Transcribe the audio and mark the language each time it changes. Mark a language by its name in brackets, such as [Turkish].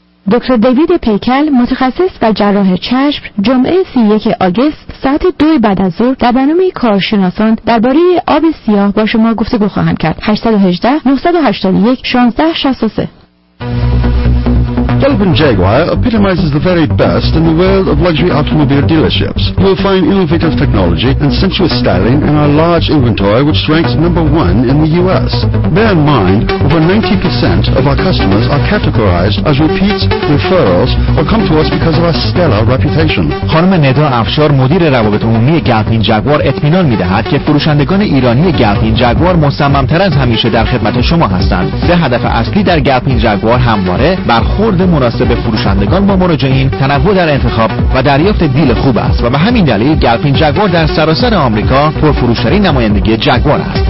[Persian] دکتر دیوید پیکل، متخصص و جراح چشم، جمعه 31 آگوست ساعت 2 بعد از ظهر در برنامه کارشناسان درباره آب سیاه با شما گفتگو خواهند کرد. 818 981 1663. [English] Delvin Jaguar epitomizes the very best in the world of luxury automobile dealerships. You will find innovative technology and sensuous styling in our large inventory, which ranks number one in the U.S. Bear in mind, over 90% of our customers are categorized as repeats, referrals, or come to us because of our stellar reputation. [Persian] خانم ندا افشار مدیر روابط عمومی گلفین جگوار اطمینان می‌دهد که فروشندگان ایرانی گلفین جگوار مصمم‌تر از همیشه در خدمت شما هستند. سه هدف اصلی در گلفین جگوار همواره برخورد مناسب فروشندگان با مراجعین، تنوع در انتخاب و دریافت دیل خوب است و به همین دلیل گلفین جگوار در سراسر آمریکا پرفروش‌ترین نمایندگی جگوار است.